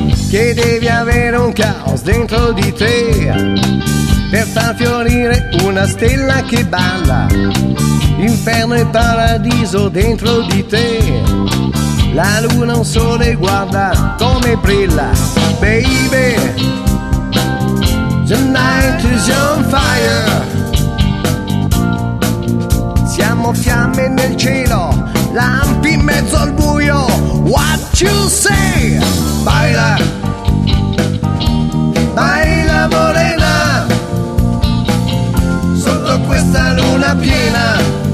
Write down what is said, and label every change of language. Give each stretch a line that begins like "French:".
Italian: Che devi avere un caos dentro di te per far fiorire una stella che balla. Inferno e paradiso dentro di te, la luna, un sole, guarda come brilla.
English: Baby, the night is on fire.
Italian: Siamo fiamme nel cielo, lampi in mezzo al buio.
English: What you say?
Spanish: Baila, baila morena,
Italian: sotto questa luna piena.